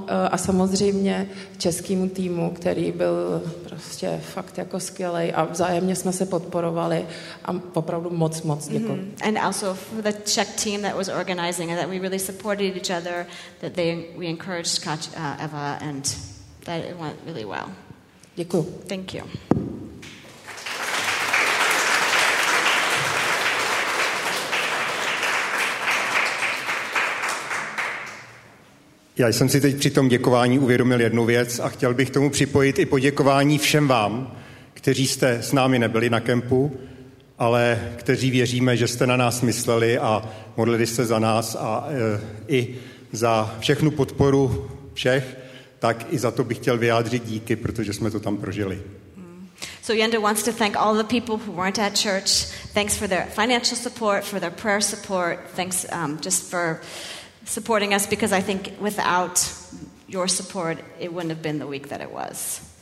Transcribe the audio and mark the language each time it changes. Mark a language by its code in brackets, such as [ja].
[cs] A samozřejmě českýmu týmu, který byl prostě fakt jako skvělej a vzájemně jsme se podporovali a opravdu moc, moc děkuji. Mm-hmm. [en] And also for the Czech team that was organizing, that we really supported each other, that we encouraged Kat, Eva, and that it went really well. [cs] Děkuji. [en] Thank you. [cs] Já jsem si teď při tom děkování uvědomil jednu věc a chtěl bych tomu připojit i poděkování všem vám, kteří jste s námi nebyli na kempu, ale kteří věříme, že jste na nás mysleli a modlili se za nás a i za všechnu podporu všech, tak i za to bych chtěl vyjádřit díky, protože jsme to tam prožili. [en] So Yenda wants to thank all the people who weren't at church. Thanks for their financial support, for their prayer support. Thanks just for supporting us, because I think without your support, it wouldn't have been the week that it was.